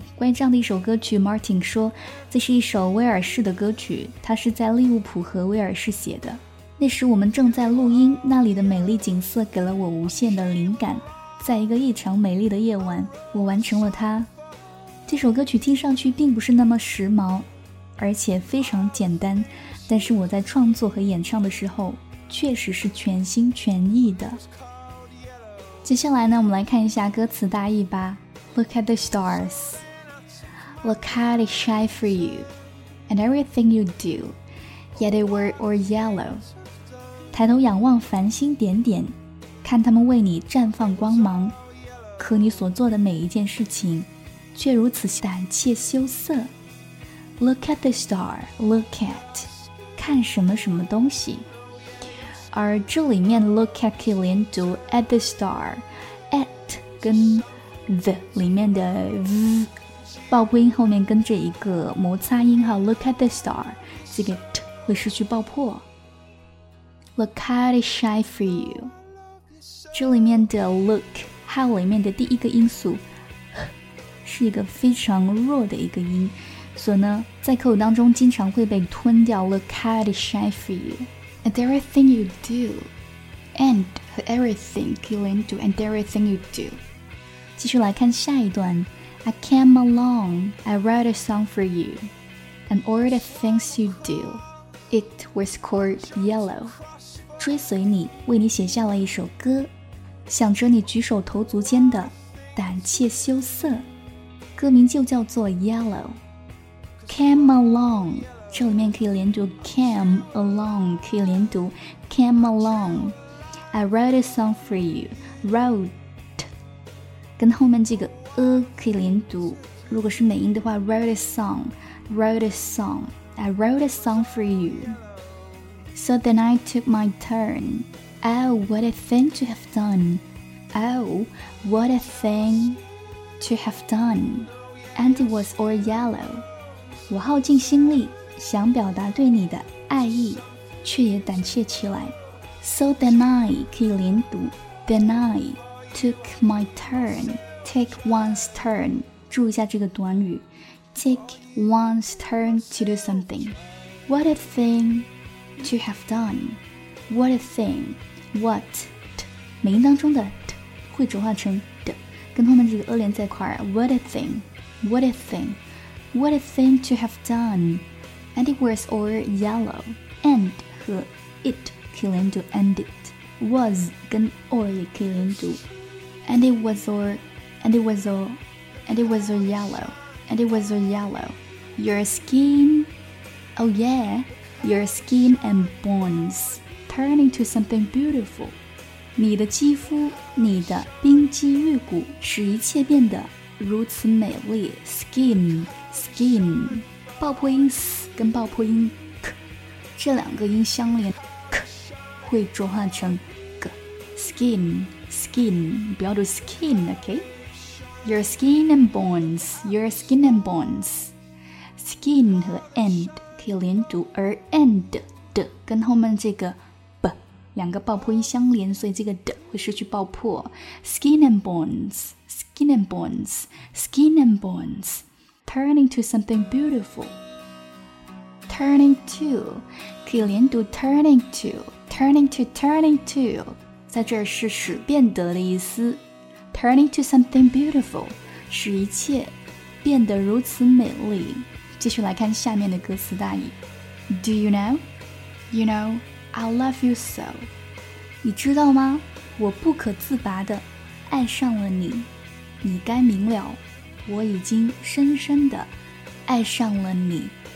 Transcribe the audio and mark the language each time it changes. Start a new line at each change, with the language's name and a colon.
Chinese: 关于这样的一首歌曲， Martin 说，这是一首威尔士的歌曲，它是在利物浦和威尔士写的，那时我们正在录音，那里的美丽景色给了我无限的灵感，在一个异常美丽的夜晚我完成了它。这首歌曲听上去并不是那么时髦，而且非常简单，但是我在创作和演唱的时候确实是全心全意的。接下来呢，我们来看一下歌词大意吧。
English: Look at the stars, look how they shine for you, and everything you do, yet they were all yellow.
Chinese: 抬头仰望繁星点点，看他们为你绽放光芒，可你所做的每一件事情却如此胆怯羞涩。
English: Look at the star, look at,
Chinese: 看什么什么东西。而这里面
English: look at
Chinese: 可以连读
English: at the star，
Chinese: at 跟 the 里面的 v 爆破音后面跟着一个摩擦音，好，
English: look at the star，
Chinese: 这个 t 会失去爆破。
English: Look how they shine for you，
Chinese: 这里面的 look 还有里面的第一个音素是一个非常弱的一个音，所以呢在口语当中经常会被吞掉。
English: Look how they shine for youAnd everything you do, and everything you learn to, and everything you do.
Chinese: 继续来看下一段。
English: I came along, I wrote a song for you, and all the things you do, it was called yellow.
Chinese: 追随你，为你写下了一首歌，想着你举手投足间的胆怯羞涩，歌名就叫做 yellow.
English: Came along.
Chinese: 这里面可以连读
English: came along，
Chinese: 可以连读
English: came along。 I wrote a song for you， wrote
Chinese: 跟后面这个可以连读，如果是美音的话
English: wrote a song， wrote a song， I wrote a song for you。 So then I took my turn， oh what a thing to have done， oh what a thing to have done， and it was all yellow。
Chinese: 我耗尽心力想表达对你的爱意，却也胆怯起来。
English: So then I
Chinese: 可以连读，
English: then I took my turn， take one's turn，
Chinese: 注意一下这个短语，
English: take one's turn to do something， what a thing to have done， what a thing， what，
Chinese: 美音当中的 t 会转化成 d， 跟后面这个a连在一块，
English: what a thing， what a thing， what a thing to have doneAnd it was all yellow. And 和 it
Chinese: 可以连读
English: and it. Was 跟 all
Chinese: 也可以连读
English: And it was all. And it was all. And it was all yellow. And it was all yellow. Your skin. Oh yeah. Your skin and bones turning to something beautiful.
Chinese: 你的肌肤，你的冰肌玉骨，使一切变得如此美丽。
English: Skin. Skin.
Chinese: 爆破音 s 跟爆破音 k 这两个音相连， k 会转换成 g，
English: skin skin，
Chinese: 不要读 skin， ok，
English: your skin and bones，
Chinese: your
English: skin and bones，
Chinese: skin 和 and 可以连读，而 and 的跟后面这个 b 两个爆破音相连，所以这个 d 会失去爆破。
English: skin and bones， skin and bones， skin and bonesTurning to something beautiful. Turning to
Chinese: 可以连读
English: turning to， turning to， turning to，
Chinese: 在这儿是使变得的意思。
English: Turning to something beautiful，
Chinese: 使一切变得如此美丽。继续来看下面的歌词大意。
English: Do you know? You know, I love you so.
Chinese: 你知道吗？我不可自拔地爱上了你。你该明了，我已经深深地爱上了你。